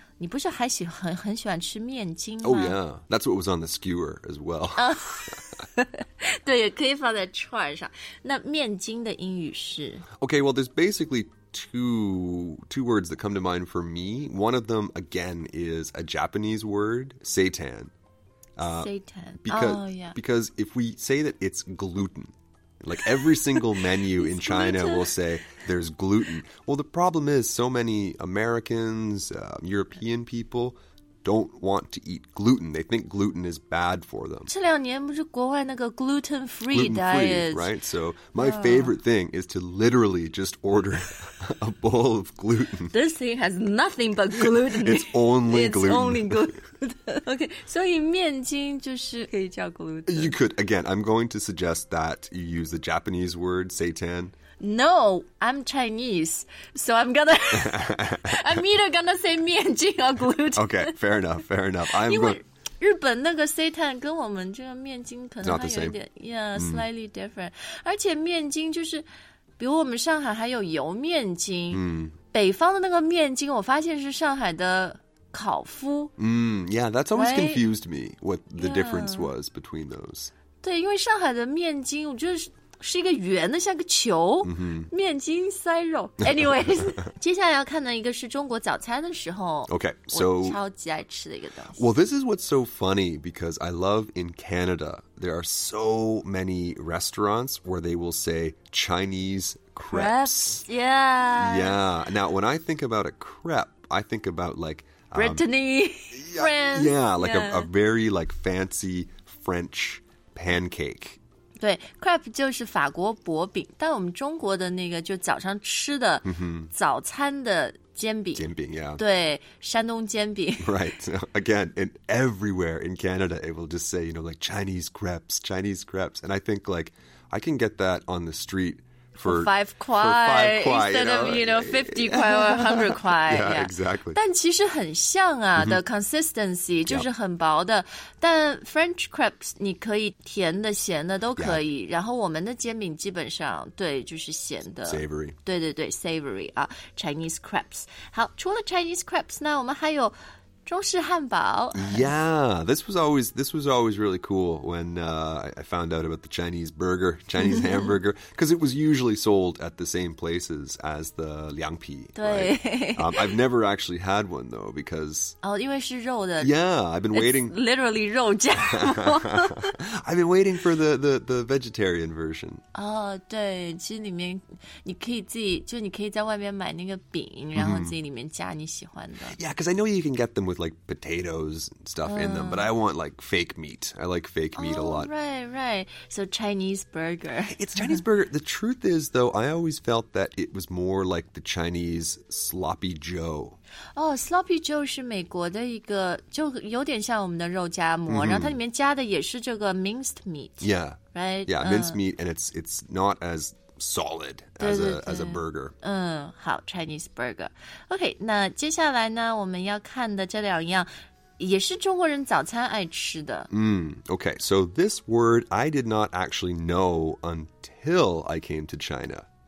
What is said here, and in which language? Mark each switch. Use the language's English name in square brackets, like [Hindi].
[Chinese] 你不是还喜欢很喜欢吃面筋吗 [English] Oh yeah, that's what was on the skewer as well. [Chinese] 对，也可以放在串上。那面筋的英语是 [English] Okay, well, there's basically two words that come to mind for me. One of them, again, is a Japanese word, seitan. Seitan. Because, oh, yeah. Because if we say that it's gluten, like every single menu in China will say... There's gluten. Well, the problem is so many Americans, European people don't want to eat gluten. They think gluten is bad for them. [Chinese] 这两年不是国外那个 gluten-free diet? [English] Right? So my favorite thing is to literally just order a bowl of gluten. This thing has nothing but gluten. It's only It's gluten. It's only gluten. [Chinese] Okay, so 面筋就是可以叫 gluten. [English] You could, again, I'm going to suggest that you use the Japanese word, seitan. No, I'm Chinese, so I'm gonna, I'm either gonna say 面筋 or gluten. Okay, fair enough, fair enough. I'm [Chinese] 因为日本那个 seitan 跟我们这个面筋可能还有一点 [English] yeah, slightly different.、 [Chinese] 而且面筋就是比如我们上海还有油面筋、北方的那个面筋我发现是上海的烤麸、 [English] yeah, that's always、right? confused me, what the、difference was between those. [Chinese] 对因为上海的面筋我觉得是一个圆的像个球、 mm-hmm. 面筋塞肉 Anyways 接下来要看的一个是中国早餐的时候 [English] Okay, so [Chinese] 我超级爱吃的一个东西 [English] Well, this is what's so funny because I love in Canada there are so many restaurants where they will say Chinese crepes Yeah Now, when I think about a crepe I think about like Brittany, France a very like fancy French pancake [Chinese] 对 ,crepe 就是法国薄饼但我们中国的那个就早上吃的早餐的煎饼。煎饼 yeah. 对山东煎饼。 [English] Right, so, again, in everywhere in Canada, it will just say, you know, like Chinese crepes. And I think like, I can get that on the street for 5 kuai, instead of, you know, 50 kuai or 100 kuai. Yeah, exactly. [Chinese] 但其实很像啊、mm-hmm. [English] the consistency, [Chinese] 就是很薄的。Yep. 但 French crepes, 你可以甜的咸的都可以。 Yeah. 然后我们的煎饼基本上对就是咸的。 [English] Savory. [Chinese] 对对对 ,savory, 啊 Chinese crepes. 好除了 Chinese crepes, 那我们还有中式汉堡。 [English] Yeah, this was always really cool when、I found out about the Chinese burger, Chinese hamburger, because it was usually sold at the same places as the 凉皮 [Chinese] 对、 [English] right? I've never actually had one though, because... [Chinese] Oh, 因为是肉的。 [English] Yeah, I've been waiting... It's literally 肉夹馍。 I've been waiting for the vegetarian version. [Chinese] Oh, 对其实里面你可以自己就你可以在外面买那个饼然后自己里面加你喜欢的。 Mm-hmm. [English] Yeah, because I know you can get them with like potatoes and stuff in them but I want like fake meat I like fake meat、 oh, a lot right so Chinese burger it's Chinese burger the truth is though I always felt that it was more like the Chinese sloppy joe [Chinese] oh sloppy joe 是美国的一个就有点像我们的肉夹馍、mm-hmm. 然后它里面加的也是这个 minced meat [English] yeah right yeah minced meat and it's not as solid as a burger. [Chinese] 嗯，好 ，Chinese burger. OK， 那接下来呢，我们要看的这两样，也是中国人早餐爱吃的。 [English] OK， so this word I did not actually know until I came to China.